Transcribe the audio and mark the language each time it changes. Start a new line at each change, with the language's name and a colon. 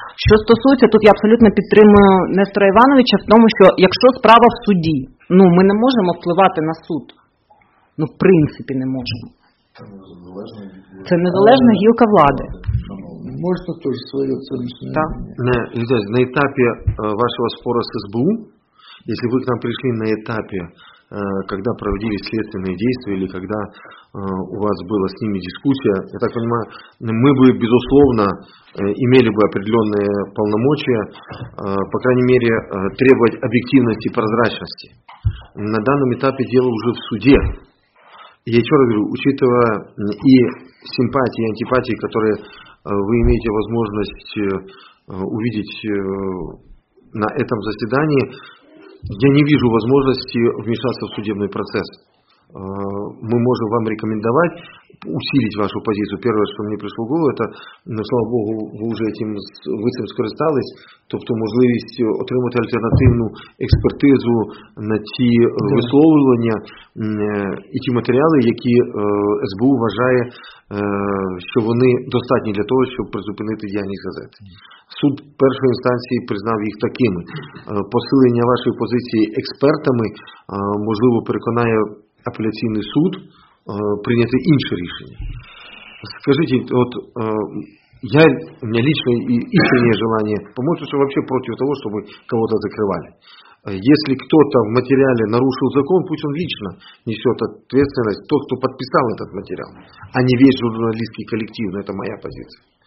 Ukrainian: Що стосується, тут я абсолютно підтримую Нестора Івановича в тому, що якщо справа в суді, ну, ми не можемо впливати на суд. Ну, в принципі, не можемо. Це незалежна гілка влади. Можна теж своє оціночне мнення? Так. На етапі вашого спору з СБУ, якщо ви к нам прийшли на етапі,
Russian: когда проводили следственные действия или когда у вас была с ними дискуссия, я так понимаю, мы бы, безусловно, имели бы определенные полномочия, по крайней мере, требовать объективности и прозрачности. На данном этапе дело уже в суде. Я еще раз говорю, учитывая и симпатии, и антипатии, которые вы имеете возможность увидеть на этом заседании, я не вижу возможности вмешаться в судебный процесс. Мы можем вам рекомендовать усилить вашу позицию. Первое, что мне пришло в голову, это, ну, слава Богу, вы уже этим
Ukrainian: выцем скористались, тобто можливість отримати альтернативну експертизу на ті висловлювання і ті матеріали, які СБУ вважає, що вони достатні для того, щоб призупинити діяльність газети. Суд першої інстанції признав їх такими. Посилення вашої позиції експертами, можливо, переконає апеляційний суд прийняти інше рішення. Скажіть, от...
Russian: Я, у меня личное и искреннее желание помочь, что вообще против того, чтобы кого-то закрывали. Если кто-то в материале нарушил закон, пусть он лично несет ответственность, тот, кто подписал этот материал, а не весь журналистский коллектив, но это моя позиция.